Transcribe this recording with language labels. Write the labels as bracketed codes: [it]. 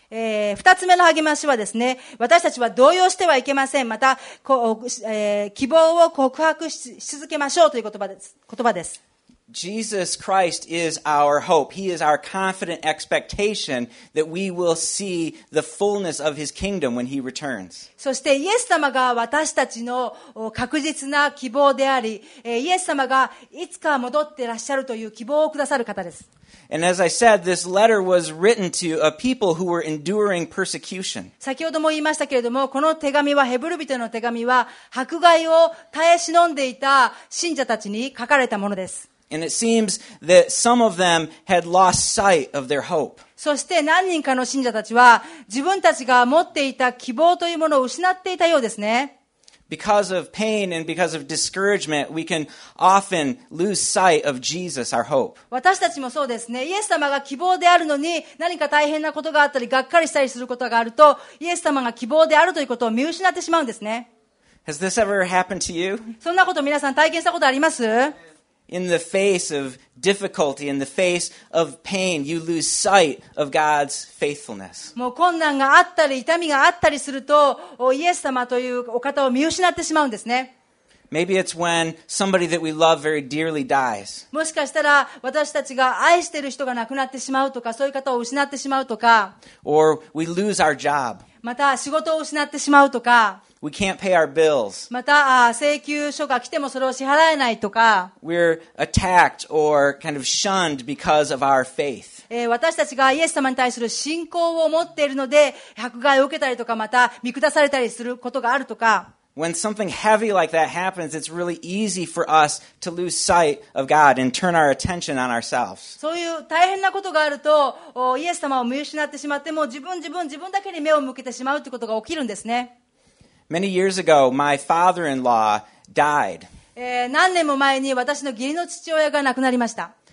[ja] 二つ目の励ましはですね、私たちは動揺してはいけません。また、希望を告白し続けましょうという言葉です。 [en] Jesus Christ is our hope. He is our confident expectation that we will see the fullness of His kingdom when He returns. [ja] そしてイエス様が私たちの確実な希望であり、イエス様がいつか戻ってらっしゃるという希望をくださる方です。 [en] And as I said, this letter was written to a people who were enduring persecution. [ja] 先ほども言いましたけれども、この手紙は、ヘブル人の手紙は、迫害を耐え忍んでいた信者たちに書かれたものです。 [en] And it seems that some of them had lost sight of their hope. [ja] そして何人かの信者たちは自分たちが持っていた希望というものを失っていたようですね。 [en] Because of pain and because of discouragement, we can often lose sight of Jesus, our hope. [ja] 私たちもそうですね。イエス様が希望であるのに何か大変なことがあったり、がっかりしたりすることがあると、イエス様が希望であるということを見失ってしまうんですね。 [en] Has this ever happened to you? [ja] そんなこと皆さん体験したことあります？ [en] In the face of difficulty, in the face of pain, you lose sight of God's faithfulness. [ja] もう困難があったり痛みがあったりすると、イエス様というお方を見失ってしまうんですね。 [en] Maybe it's when somebody that we love very dearly dies. [ja] もしかしたら私たちが愛してる人が亡くなってしまうとか、そういう方を失ってしまうとか。 [en] Or we lose our job. [ja] また仕事を失ってしまうとか。 [en] We can't pay our bills. [ja] また請求書が来てもそれを支払えないとか。 [en] We're attacked or kind of shunned because of our faith. [ja] 私たちがイエス様に対する信仰を持っているので迫害を受けたりとか、また見下されたりすることがあるとか。 [en] When something heavy like that happens, it's really easy for us to lose sight of God and turn our attention on ourselves. [ja] そういう大変なことがあると、イエス様を見失ってしまって、もう自分だけに目を向けてしまうということが起きるんですね。 [en] Many years ago, my father-in-law died. [ja] 何年も前に私の義理の父親が亡くなりました。